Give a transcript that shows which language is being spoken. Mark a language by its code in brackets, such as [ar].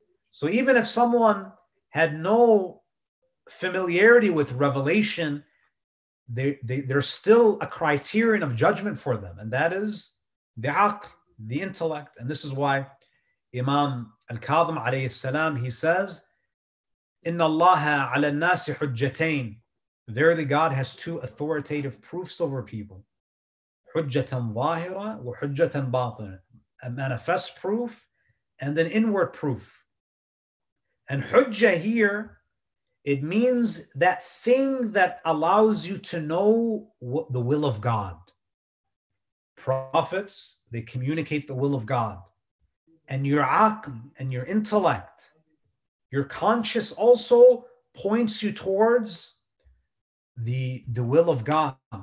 [en] So even if someone had no familiarity with revelation, there's still a criterion of judgment for them. And that is the aql, the intellect. And this is why Imam Al-Kadhim alayhi salam, he says, [ar] إِنَّ اللَّهَ عَلَى النَّاسِ حُجَّتَيْنِ. [en] Verily God has two authoritative proofs over people. [ar] حُجَّةً ظَاهِرَةً وَحُجَّةً بَاطِنَةً. [en] A manifest proof and an inward proof. And hujjah here, it means that thing that allows you to know what the will of God. Prophets, they communicate the will of God. And your aql and your intellect, your conscience also points you towards the will of God.